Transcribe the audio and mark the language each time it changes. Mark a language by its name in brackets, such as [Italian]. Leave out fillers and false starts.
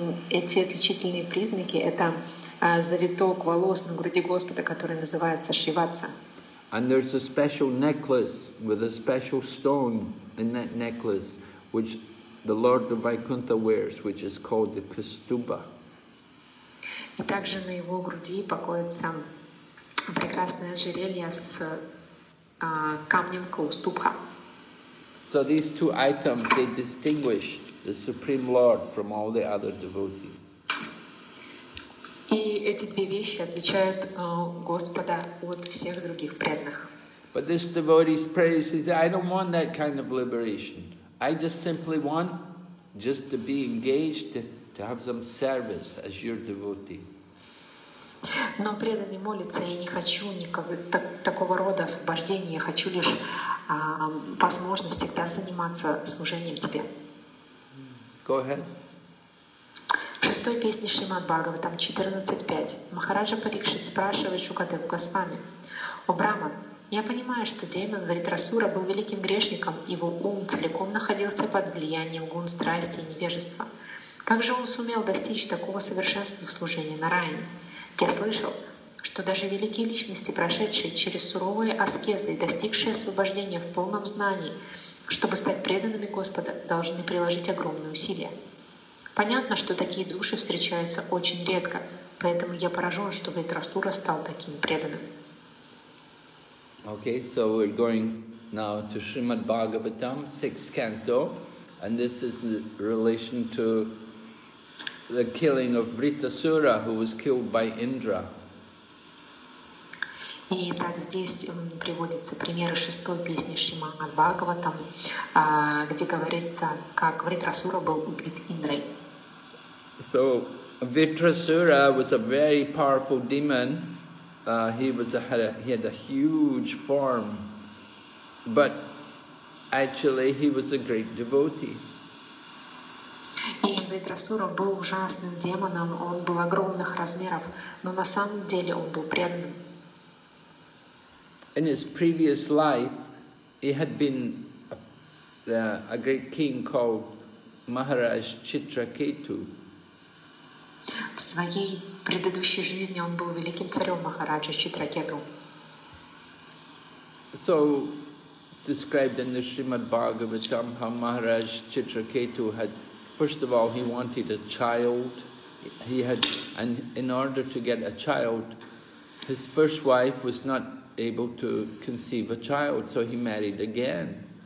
[Russian] эти отличительные признаки — это завиток волос на груди Господа, который называется Шиватса. [English] And there's a special necklace with a special stone in that necklace, which the Lord of Vaikuntha wears, which is called the Kastuba. [Russian] И также на его груди покоится прекрасное ожерелье с камнем Каустубха. [English] So these two items, they distinguish the Supreme Lord from all the other devotees. [Russian] И эти две вещи отличают Господа от всех других преданных. [English] But this devotee's prayer, he says, I don't want that kind of liberation. I just simply want just to be engaged to have some service as your devotee. [Russian] Но преданный молится, я не хочу такого рода освобождения, я хочу лишь по возможности заниматься служением тебе. [English] Go ahead. [Russian] В шестой песне Шримад Бхагаватам 14.5 Махараджа Парикшит спрашивает Шукадев Госвами: «О Брахман, я понимаю, что демон Вритрасура был великим грешником, его ум целиком находился под влиянием гун, страсти и невежества. Как же он сумел достичь такого совершенства в служении Нараяне? Я слышал, что даже великие личности, прошедшие через суровые аскезы и достигшие освобождения в полном знании, чтобы стать преданными Господа, должны приложить огромные усилия. Понятно, что такие души встречаются очень редко, поэтому я поражен, что Вритрасура стал таким преданным». [English] Okay, so we're going now to Srimad Bhagavatam, 6th canto, and this is in relation to the killing of Vritrasura, who was killed by Indra. [Russian] И так здесь приводится пример шестой песни Шримад Бхагаватам, где говорится, как Вритрасура был убит Индрой. [English] So Vritrasura was a very powerful demon. He had a huge form, but actually he was a great devotee. [Russian] И Вритрасура был ужасным демоном, он был огромных размеров, но на самом деле он был преданным. [English] In his previous life, he had been a great king called Maharaj Chitraketu. [Russian] В своей предыдущей жизни он был великим царем Махараджа Читракету. [English] So described in the Srimad Bhagavatam how Maharaj Chitraketu had, first of all, he wanted a child. He had, and in order to get a child, his first wife was not able to conceive a child, so he married again.